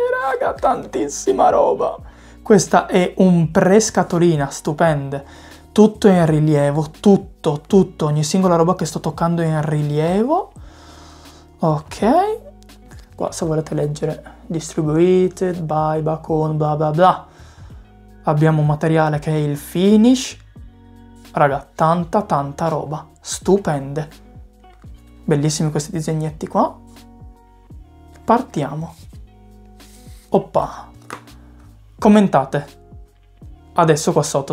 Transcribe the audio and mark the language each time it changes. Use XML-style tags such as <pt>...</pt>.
<it>raga, tantissima roba. Questa è un pre-scatolina, stupende. Tutto in rilievo, tutto. Ogni singola roba che sto toccando è in rilievo. Ok. Qua se volete leggere.</it> <en>Distributed by Bacon, bla bla bla.</en> <it>Abbiamo un materiale che è il finish. Raga, tanta roba. Stupende. Bellissimi questi disegnetti qua. Partiamo. Oppa. Commentate. Adesso qua sotto.</it>